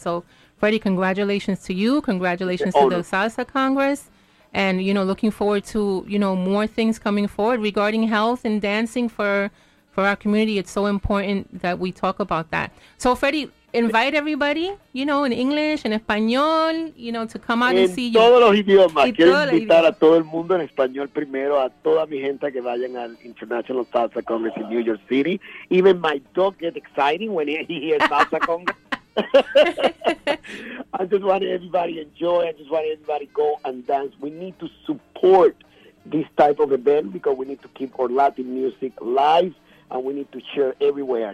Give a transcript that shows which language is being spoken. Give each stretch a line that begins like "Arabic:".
English: So, Freddie, congratulations to you. Congratulations to the Salsa Congress. And, you know, looking forward to, you know, more things coming forward regarding health and dancing for our community. It's so important that we talk about that. So, Freddie, invite everybody, you know, in English, in Español, you know, to come out
Spanish: en
English: and see
Spanish: todos
English: you.
Spanish: Todos los idiomas. Quiero invitar a todo el mundo en español primero, a toda mi gente que vayan al International Salsa Congress in New York City.
English: Even my dog gets exciting when he hears Salsa Congress. I just want everybody to enjoy. I just want everybody to go and dance. We need to support this type of event because we need to keep our Latin music live and we need to share everywhere.